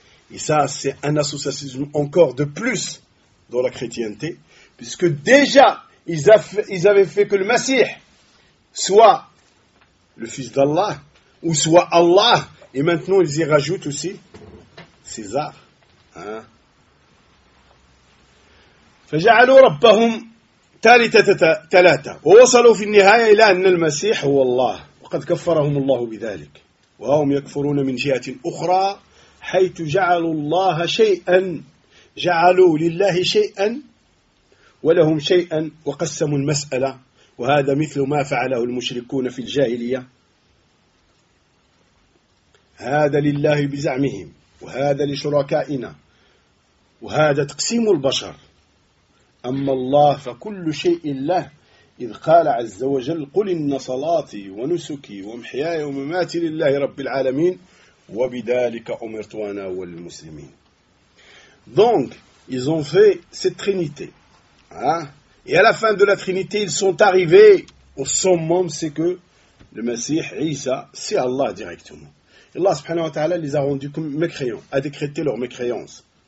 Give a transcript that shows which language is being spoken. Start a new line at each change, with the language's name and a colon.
French: Et ça, c'est un associationnisme encore de plus dans la chrétienté, puisque déjà, ils avaient fait que le Messie soit le fils d'Allah, ou soit Allah, et maintenant ils y rajoutent aussi César.
Arabic: فَجَعَلُوا رَبَّهُمْ ثَلَاثَةً وَوَصَلُوا فِي النِّهَايَةِ إِلَى أَنَّ الْمَسِيحَ هُوَ اللَّهُ وَقَدْ كَفَّرَهُمُ اللَّهُ بِذَلِكَ وَهُمْ يَكْفُرُونَ مِنْ جِهَةٍ أُخْرَى حيث جعلوا الله شيئا جعلوا لله شيئا ولهم شيئا وقسموا المسألة وهذا مثل ما فعله المشركون في الجاهلية هذا لله بزعمهم وهذا لشركائنا وهذا تقسيم البشر أما الله فكل شيء له إذ قال عز وجل قل إن صلاتي ونسكي ومحياي ومماتي لله رب العالمين وَبِدَالِكَ أُمِرْتُوَنَا وَالْمُسْلِمِينَ.
French: Donc, ils ont fait cette trinité. Et à la fin de la trinité, ils sont arrivés au sommet, c'est que le Messie, Isa, c'est Allah directement. Et Allah subhanahu wa ta'ala les a rendus comme mécréants, a décrété leur mécréance.